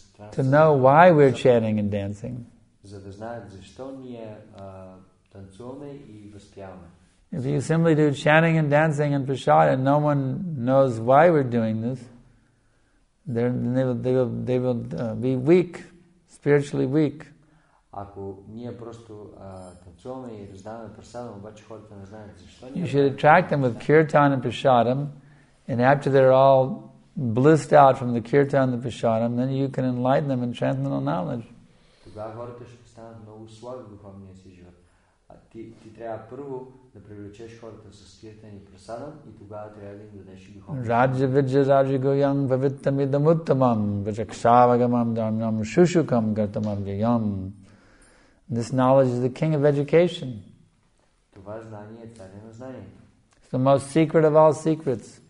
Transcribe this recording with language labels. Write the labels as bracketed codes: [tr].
[en] To know why we're chanting and dancing. If you simply do chanting and dancing and prasad and no one knows why we're doing this, they will be weak, spiritually weak. [bg] Ако ние просто танцуваме и раздаваме прасадам, обаче хората не знаят защо ние... [en] You should attract them with kirtan and prasadam, and after they're all blissed out from the kirtan and the prasadam, then you can enlighten them in transcendental knowledge. [bg] тогава хората ще станат много слаби в духовния си живот. А ти трябва първо да привлечеш хората с киртани прасада и тогава трябва да им дадеш духовния. [sa] Раджа виджа раджа гоян вавиттам идам уттамам виджакшавагамам дарнам шушукам гартамам гиян. [en] This knowledge is the king of education. [bg] Това знание е царя на знанието. [en] It's the most secret of all secrets.